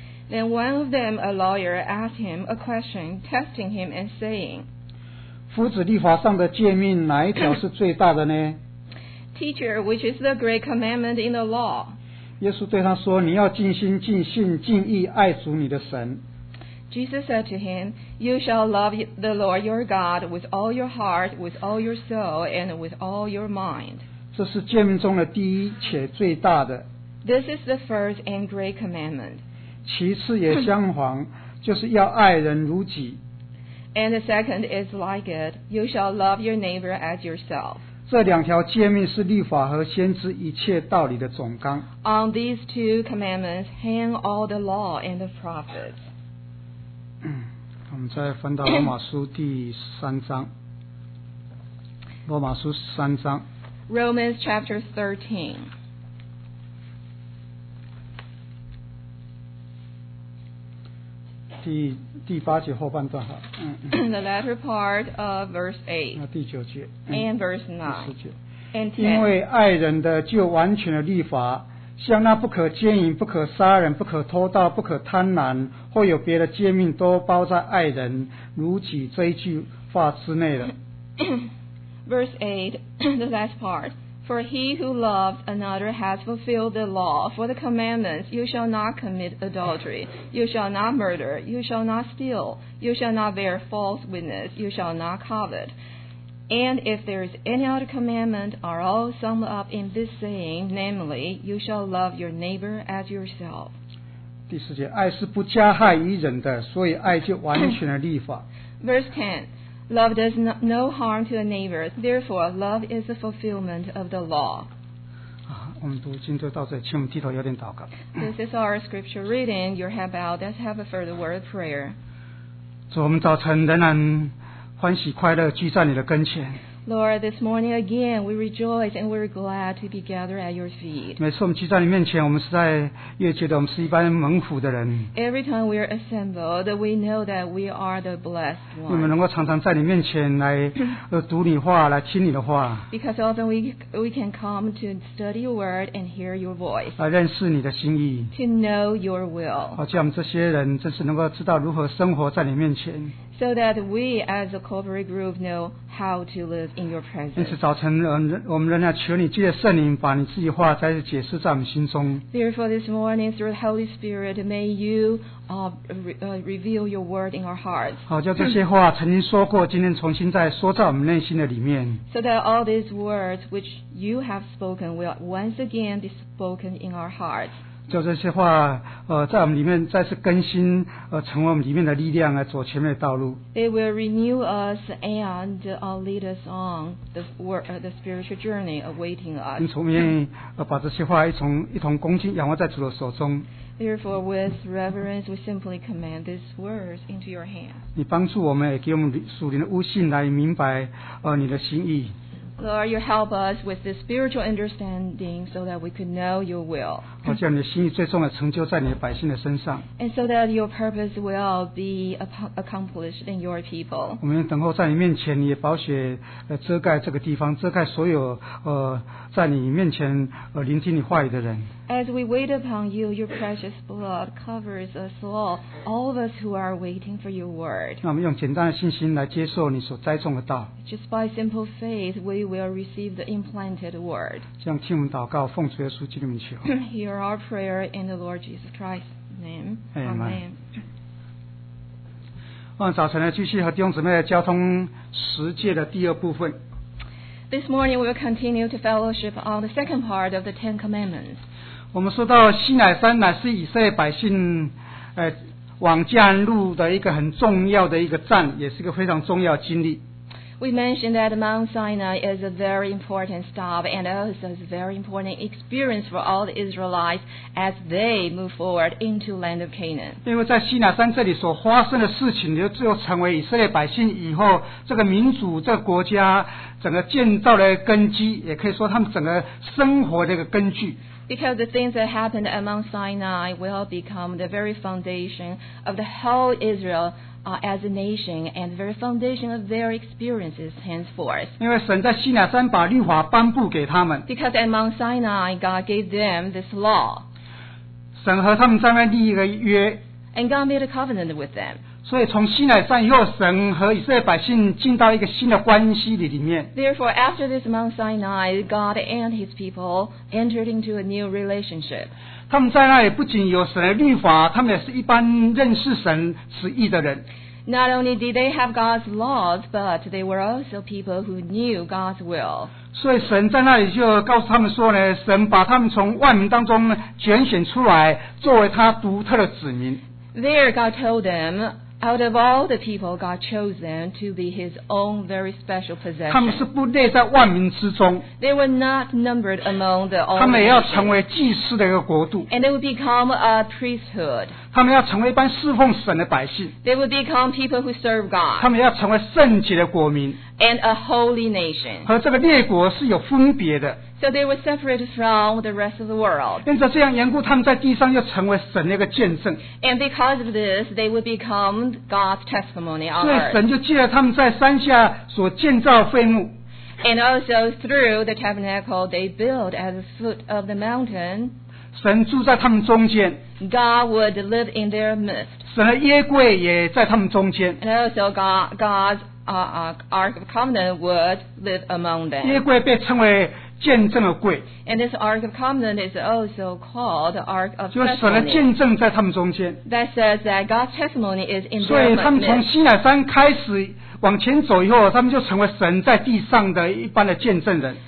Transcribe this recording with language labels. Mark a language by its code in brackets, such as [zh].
[en] Then one of them, a lawyer, asked him a question, testing him and saying, [zh] 夫子，律法上的诫命哪一条是最大的呢？ [en] Teacher, which is the great commandment in the law? [zh] 耶稣对他说， 你要尽心尽性尽意爱主你的神。 [en] Jesus said to him, You shall love the Lord your God with all your heart, with all your soul, and with all your mind. [zh] 这是诫命中的第一且最大的。 [en] This is the first and great commandment. [zh] 其次也相仿， 就是要爱人如己。 [en] And the second is like it, you shall love your neighbor as yourself. [zh] 这两条诫命是律法和先知一切道理的总纲。 [en] On these two commandments hang all the law and the prophets. [zh] 我们再翻到罗马书第三章。罗马书三章。 [en] Romans chapter 13. [zh] 第八节后半段哈。 [en] The latter part of verse 8. [zh] 第九节。 [en] And verse 9. And 10. [zh] 因为爱人的就完全的律法，像那不可奸淫、不可杀人、不可偷盗、不可贪婪，或有别的诫命，都包在爱人如己这一句话之内了。 [en] Verse 8, the last part. For he who loves another has fulfilled the law. For the commandments, you shall not commit adultery, you shall not murder, you shall not steal, you shall not bear false witness, you shall not covet. And if there is any other commandment, are all summed up in this saying, namely, you shall love your neighbor as yourself. [zh] 第四节， 爱是不加害于人的， 所以爱就完全了律法。 [en] Verse 10. Love does no harm to a neighbor, therefore love is the fulfillment of the law. [zh] 我们读经就到这，请我们低头有点祷告。 [en] This is our scripture reading. Your head bowed. Let's have a further word of prayer. [zh] 主，我们早晨仍然欢喜快乐聚在你的跟前。 [en] Lord, this morning again we rejoice and we're glad to be gathered at your feet. [zh] 每次我们聚在你面前，我们是在越界的，我们是一般蒙福的人。 [en] Every time we are assembled, we know that we are the blessed one. [zh] 因为我们能够常常在你面前来读你话，来听你的话。 [en] Because often we can come to study your word and hear your voice. [zh] 来认识你的心意。 [en] To know your will. [zh] 好，叫我们这些人真是能够知道如何生活在你面前。 [en] so that we as a corporate group know how to live in your presence. [zh] 因此早晨我们仍然求你借着圣灵把你自己话再次解释在我们心中。 [en] Therefore this morning through the Holy Spirit may you reveal your word in our hearts. [zh] 好，叫这些话曾经说过，今天重新再说在我们内心的里面。 [en] So that all these words which you have spoken will once again be spoken in our hearts. [zh] 叫这些话在我们里面再次更新成为我们里面的力量来走前面的道路。 [en] It will renew us and lead us on the spiritual journey awaiting us. [zh] 因此我们愿意把这些话一同恭敬仰望在主的手中。 [en] Therefore, with reverence, we simply command these words into your hands. [zh] 你帮助我们，也给我们属灵的悟性来明白你的心意。 [en] Lord, you help us with this spiritual understanding so that we could know your will. [zh] 好，叫你的心意最终成就在你的百姓的身上。 [en] And so that your purpose will be accomplished in your people. [zh] 我们等候在你面前，你也宝血遮盖这个地方，遮盖所有在你面前聆听你话语的人。 [en] As we wait upon you, your precious blood covers us all of us who are waiting for your word. [zh] 那我们用简单的信心来接受你所栽种的道。 [en] Just by simple faith, we will receive the implanted word. [zh] 这样听我们祷告，奉主耶稣基督的名求。 [en] Hear our prayer in the Lord Jesus Christ's name. Amen. [zh] 我们早晨呢，继续和弟兄姊妹交通十诫的第二部分。 [en] This morning, we will continue to fellowship on the second part of the Ten Commandments. [zh] 我们说到西乃山乃是以色列百姓往迦南路的一个很重要的一个站，也是一个非常重要的经历。 [en] We mentioned that Mount Sinai is a very important stop and also is a very important experience for all the Israelites as they move forward into land of Canaan. [zh] 因为在西乃山这里所发生的事情，就最后成为以色列百姓以后这个民族这个国家整个建造的根基，也可以说他们整个生活的一个根据。 [en] Because the things that happened at Mount Sinai will become the very foundation of the whole Israel as a nation and the very foundation of their experiences henceforth. [zh] 因为神在西乃山把律法颁布给他们。 [en] Because at Mount Sinai, God gave them this law. [zh] 神和他们在那边立一个约。 [en] And God made a covenant with them. [zh] 所以从西乃山以后，神和以色列百姓进到一个新的关系里面。 [en] Therefore, after this Mount Sinai, God and His people entered into a new relationship. [zh] 他们在那里不仅有神的律法，他们也是一般认识神旨意的人。 [en] Not only did they have God's laws, but they were also people who knew God's will. [zh] 所以神在那里就告诉他们说呢，神把他们从万民当中拣选出来，作为他独特的子民。 [en] There, God told them. Out of all the people, God chose them to be His own very special possession. [zh] 他们是不列在万民之中。 [en] They were not numbered among the all. [zh] 他们要成为祭司的一个国度。 [en] And they would become a priesthood. [zh] 他们要成为一般侍奉神的百姓。 [en] They would become people who serve God. [zh] 他们要成为圣洁的国民。 [en] And a holy nation. [zh] 和这个列国是有分别的。 [en] So they were separated from the rest of the world. [zh] 因着这样缘故，他们在地上又成为神的一个见证。 [en] And because of this, they would become God's testimony on earth. [zh] 所以神就借了他们在山下所建造的会幕。 [en] And also through the tabernacle they built at the foot of the mountain. [zh] 神住在他们中间。 [en] God would live in their midst. [zh] 神的耶柜也在他们中间。 [en] And also God's Ark of Covenant would live among them. [zh] 耶柜被称为见证的柜。 [en] And this Ark of Covenant is also called the Ark of Testimony. [zh] 就神的见证在他们中间。 [en] That says that God's testimony is in their midst. [zh] 所以他们从西乃山开始往前走以后，他们就成为神在地上的一般的见证人。